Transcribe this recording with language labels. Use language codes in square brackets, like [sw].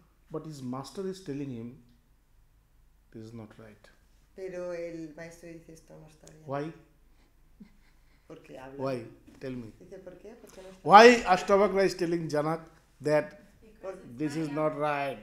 [en] But his master is telling him, this is not right. [es] Pero el maestro dice esto no está bien. [en] Why? [es] Porque habla. [en] Why? Tell me. [es] Dice, ¿por qué? Porque no está. [en] Why Ashtavakra is telling Janak that this is not right.